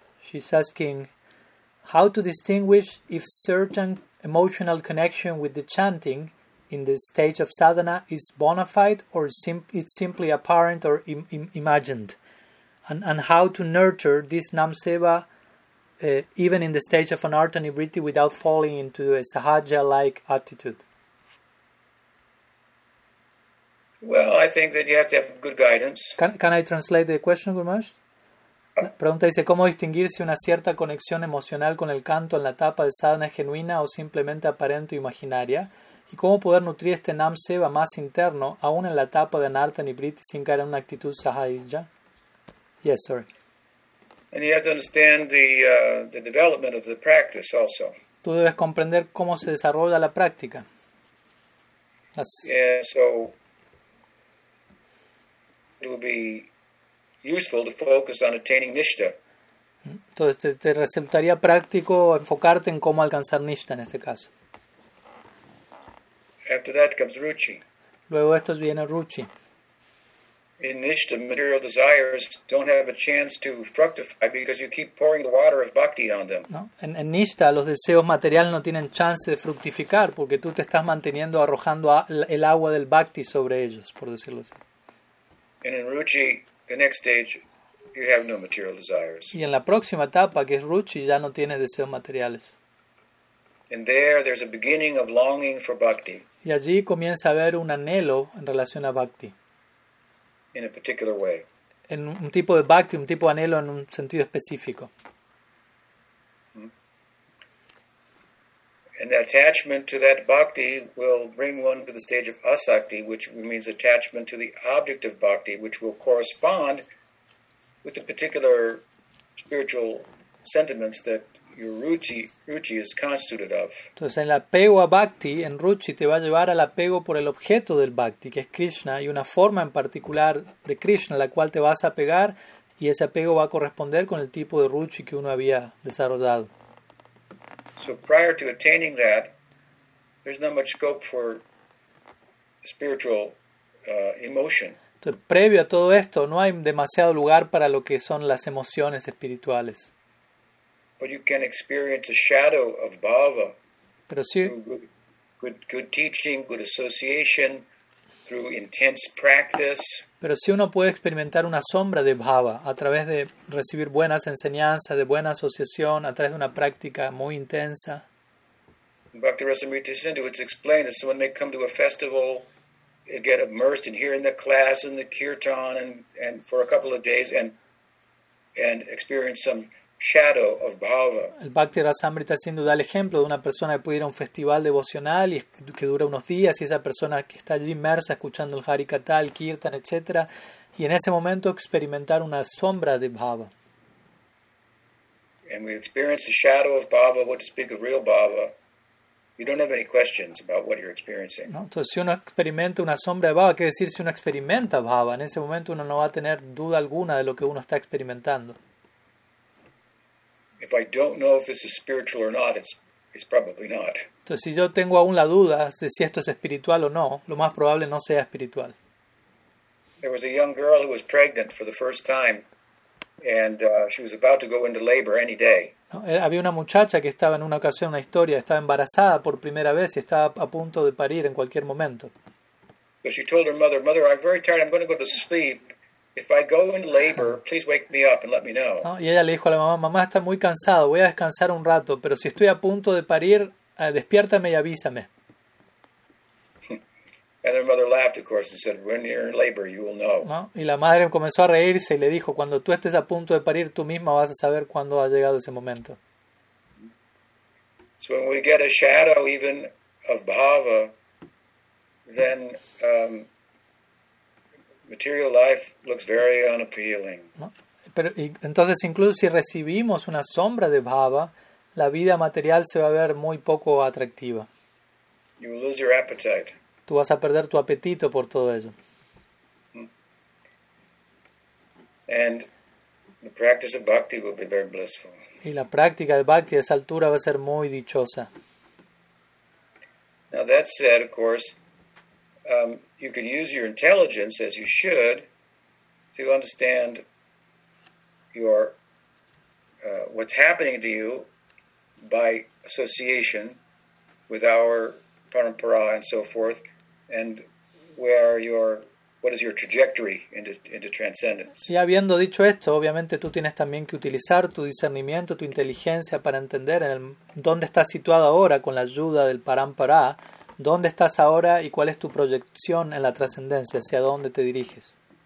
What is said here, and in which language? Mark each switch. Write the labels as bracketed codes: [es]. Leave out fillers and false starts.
[en] She's asking how to distinguish if certain emotional connection with the chanting in the stage of sadhana is bona fide or it's simply apparent or imagined, and how to nurture this namseva even in the stage of anartha nibriti without falling into a sahaja-like attitude. Well, I think that you have to have good guidance. Can I translate the question, Gurmaj? [es] Pregunta dice, ¿cómo distinguir si una cierta conexión emocional con el canto en la etapa de sadhana es genuina o simplemente aparente o imaginaria? ¿Y cómo poder nutrir este nam seva más interno aún en la etapa de anartha nibriti sin caer en una actitud sahaja? [en] Yes, sorry. And you have to understand the development of the practice also. [es] Tú debes comprender cómo se desarrolla la práctica. [en] So it will be useful to focus on attaining nishta. [es] Entonces te resultaría práctico enfocarte en cómo alcanzar nishta en este caso. [en] After that comes ruchi. [es] Luego esto viene ruchi. [en] In nishta, material desires don't have a chance to fructify because you keep pouring the water of bhakti on them. [es] No, en nishta los deseos materiales no tienen chance de fructificar porque tú te estás manteniendo arrojando el agua del bhakti sobre ellos, por decirlo así. [en] And in ruchi, the next stage, you have no material desires. [es] Y en la próxima etapa, que es ruchi, ya no tienes deseos materiales. [en] And there's a beginning of longing for bhakti. [es] Y allí comienza a haber un anhelo en relación a bhakti. [en] In a particular way. [es] En un tipo de bhakti, un tipo de anhelo en un sentido específico. [en] And the attachment to that bhakti will bring one to the stage of asakti, which means attachment to the object of bhakti, which will correspond with the particular spiritual sentiments that your ruchi is constituted of. [es] Entonces, el apego a bhakti en ruchi te va a llevar al apego por el objeto del bhakti, que es Krishna, y una forma en particular de Krishna a la cual te vas a apegar, y ese apego va a corresponder con el tipo de ruchi que uno había desarrollado. [en] So prior to attaining that, there's not much scope for spiritual emotion. [es] Entonces, previo a todo esto, no hay demasiado lugar para lo que son las emociones espirituales. [en] But you can experience a shadow of bhava. [es] Pero sí. [en] Through good teaching, good association, through intense practice. [es] Pero sí uno puede experimentar una sombra de bhava a través de recibir buenas enseñanzas, de buena asociación, a través de una práctica muy intensa. [en] Bhakti Rasamrita Sindhu, it's explained that someone may come to a festival, get immersed in hearing the class and the kirtan and for a couple of days and experience some shadow of bhava. [es] El Bhakti Rasamrita Sindhu da el ejemplo de una persona que puede ir a un festival devocional y que dura unos días, y esa persona que está allí inmersa escuchando el Harikatha, el Kirtan, etc., y en ese momento experimentar una sombra de bhava. [en] And we experience the shadow of bhava, what to speak of real bhava. You don't have any questions about what you're experiencing. [es] ¿No? Entonces, si uno experimenta una sombra de bhava, ¿qué decir si uno experimenta bhava? En ese momento uno no va a tener duda alguna de lo que uno está experimentando. [en] If I don't know if this is spiritual or not, it's probably not. [es] Entonces, si yo tengo aún la duda de si esto es espiritual o no, lo más probable no sea espiritual. [en] There was a young girl who was pregnant for the first time, and she was about to go into labor any day. [es] No, había una muchacha que estaba en una ocasión, una historia, estaba embarazada por primera vez y estaba a punto de parir en cualquier momento. [en] So she told her mother, "Mother, I'm very tired. I'm going to go to sleep. If I go in labor, please wake me up and let me know." [es] No, y ella le dijo a la mamá, "Mamá, está muy cansado, voy a descansar un rato, pero si estoy a punto de parir, despiértame y avísame." [en] And her mother laughed, of course, and said, "When you're in labor, you will know." [es] No, y la madre comenzó a reírse y le dijo, "Cuando tú estés a punto de parir, tú misma vas a saber cuándo ha llegado ese momento." [en] So when we get a shadow even of bhava, then material life looks very unappealing. [es] Pero entonces incluso si recibimos una sombra de bhava, la vida material se va a ver muy poco atractiva. [en] You will lose your appetite. [es] Tú vas a perder tu apetito por todo ello. [en] And The practice of bhakti will be very blissful. [es] Y la práctica de bhakti a esa altura va a ser muy dichosa. [en] Now that said, of course, you can use your intelligence as you should to understand your what's happening to you by association with our parampara and so forth, and what is your trajectory into transcendence. [es] Y habiendo dicho esto, obviamente tú tienes también que utilizar tu discernimiento, tu inteligencia para entender en dónde estás situado ahora con la ayuda del parampara, dónde estás ahora y cuál es tu proyección en la trascendencia, hacia dónde te diriges.